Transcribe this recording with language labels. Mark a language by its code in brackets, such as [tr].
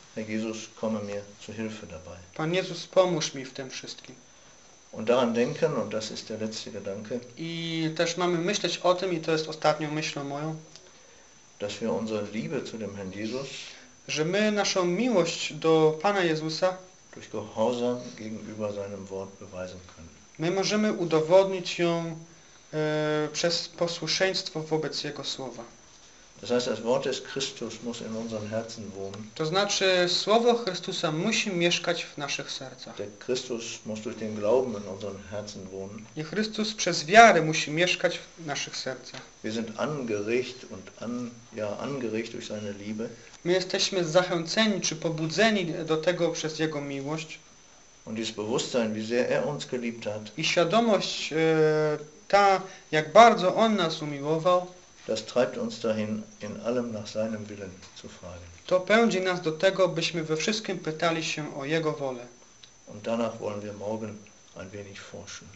[de] Herr Jesus, komme mir zur Hilfe dabei. [pl] Pan Jezus, pomóż mi w tym wszystkim. [de] Und daran denken, und das ist der letzte Gedanke, [pl] i też mamy myśleć o tym, i to jest ostatnią myślą moją, [de] dass wir unsere Liebe zu dem Herrn Jesus, [pl] że my naszą miłość do Pana Jezusa [de] durch Gehorsam gegenüber seinem Wort beweisen können. [pl] My możemy udowodnić ją przez posłuszeństwo wobec Jego Słowa. [de] Das heißt, das Wort des Christus muss in unseren Herzen wohnen. [pl] To znaczy, Słowo Chrystusa musi mieszkać w naszych sercach. [de] Der Christus muss durch den Glauben in unseren Herzen wohnen. [pl] I Chrystus przez wiarę musi mieszkać w naszych sercach. [de] Wir sind angeregt und angeregt durch seine Liebe. [pl] My jesteśmy zachęceni czy pobudzeni do tego przez Jego miłość. [de] Und dieses Bewusstsein, wie sehr uns geliebt hat. [pl] I świadomość ta, jak bardzo On nas umiłował. [de] Das treibt uns dahin, in allem nach seinem Willen zu fragen. [pl] To pędzi nas do tego, byśmy we wszystkim pytali się o Jego wolę. [de] Und danach wollen wir morgen ein wenig forschen.